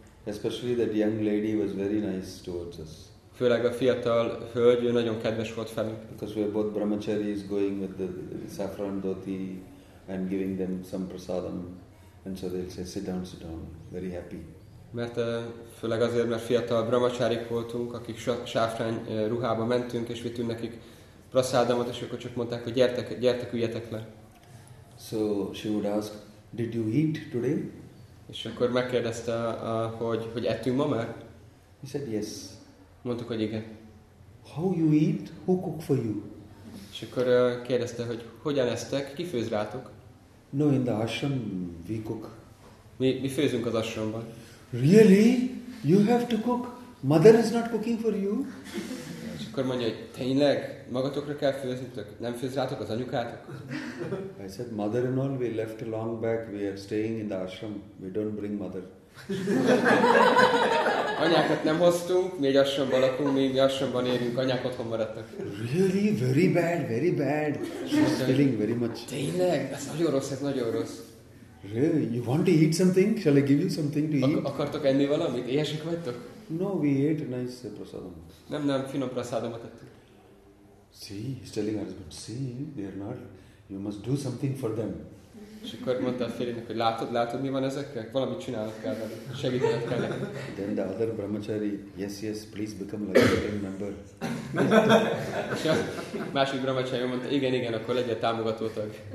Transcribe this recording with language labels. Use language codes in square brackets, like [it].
[en] Especially that young lady was very nice towards us. [hu] Főleg a fiatal hölgy, ő nagyon kedves volt felünk. [en] Because we are both brahmacharis going with the saffron dhoti and giving them some prasadam. And so they'll say, sit down, very happy. [hu] Mert főleg azért, mert fiatal brahmacharik voltunk, akik sáfrány ruhába mentünk, és vittünk nekik prasadamot, és akkor csak mondták, hogy gyertek, gyertek, üljetek le. [en] So she would ask, did you eat today? [hu] És akkor megkérdezte, hogy ettünk ma már? [en] He said, yes. [hu] Mondtuk, hogy igen. [en] How you eat? Who cook for you? [hu] És akkor kérdezte, hogy hogyan esztek, ki főz rátok? [en] No, in the ashram we cook. [hu] Mi főzünk az ashramban. [en] Really? You have to cook? Mother is not cooking for you? [hu] És akkor mondja, hogy tényleg? Magatokra kell főznitek? Nem főz rátok az anyukátok? [en] I said, mother and all, we left a long back, we are staying in the ashram, we don't bring mother. [hu] Anyákat nem hoztunk, mi egy ashramban lakunk, mi ashramban élünk, anyák otthon maradtak. [en] Really? Very bad, very bad. She's feeling very much. [hu] Tényleg? Ez nagyon rossz, ez nagyon rossz. [en] Really? You want to eat something? Shall I give you something to eat? [hu] Akartok enni valamit? Éhesek vagytok? [en] No, we ate a nice prasadam. [hu] Nem, finom prasadamat ettük. [en] See, he's telling her, but see, they are not. You must do something for them. [hu] És akkor mondta a férjének, hogy látod, mi van ezekkel? Valamit csinálnak kell velük, segítenek kell nekik. [en] Then the other brahmachari, yes, please become a vegetarian member. [hu] És a másik brahmachari mondta, igen, akkor legyen támogató tag.